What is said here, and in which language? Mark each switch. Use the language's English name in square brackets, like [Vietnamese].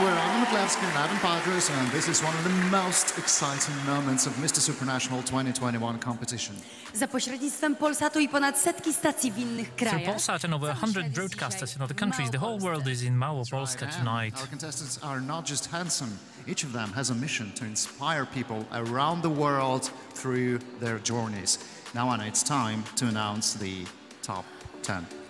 [English] We're Adam McLevskin and Adam Padres, and this is one of the most exciting moments of Mr. Supranational 2021 competition. [Polish] Za pośrednictwem Polsatu i ponad setki stacji w innych krajach. [English] Through Polsat and over 100 broadcasters in other countries, the whole world is in Małopolska tonight. Our contestants are not just handsome. Each of them has a mission to inspire people around the world through their journeys. Now, Anna, it's time to announce the top 10.